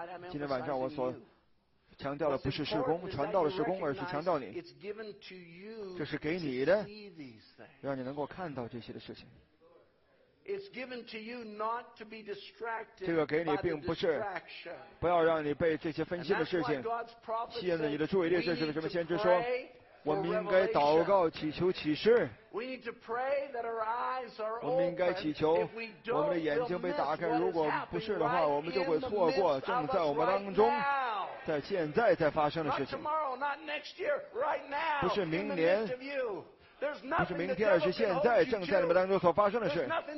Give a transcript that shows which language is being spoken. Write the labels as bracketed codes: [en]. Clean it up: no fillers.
[zh] 今天晚上我所强调的不是事工，传道的事工，而是强调你，这是给你的，让你能够看到这些的事情。 [en] It's given to you not to be distracted. [zh] 这个给你并不是，不要让你被这些分心的事情吸引了你的注意力。这是为什么先知说，我们应该祷告祈求启示。 [en] We need to pray that our eyes are open. [zh] 我们应该祈求我们的眼睛被打开。如果不是的话，我们就会错过正在我们当中，在现在在发生的事情。 [en] Not tomorrow, not next year, right now. [zh] 不是明年。不是明天，而是现在，正在你们当中所发生的事。